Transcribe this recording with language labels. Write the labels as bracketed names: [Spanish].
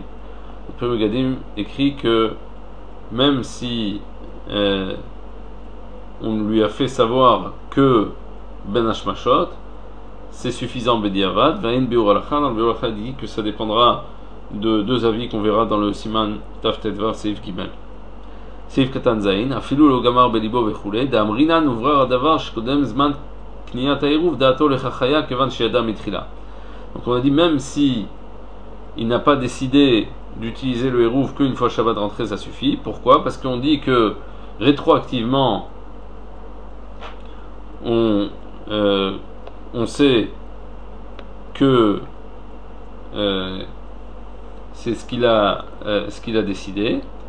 [French] Le primigadim écrit que même si on lui a fait savoir que ben ashmashot, c'est suffisant bediavat, va in biuralachan, dans le biuralachan, dit que ça dépendra de deux avis qu'on verra dans le siman taftet vav, sif gimel. [Hebrew] סיף קטן זין, אפילו לא גמר בליבו וכו', דאמרינן הוברר הדבר שקודם זמן קניית העירוב, דעתו לחחיה כיוון שידע מתחילה. [French] Donc on a dit, même si il n'a pas décidé d'utiliser le עירוב qu'une fois Shabbat rentré, ça suffit. Pourquoi? Parce qu'on dit que rétroactivement, on sait que c'est ce qu'il a décidé.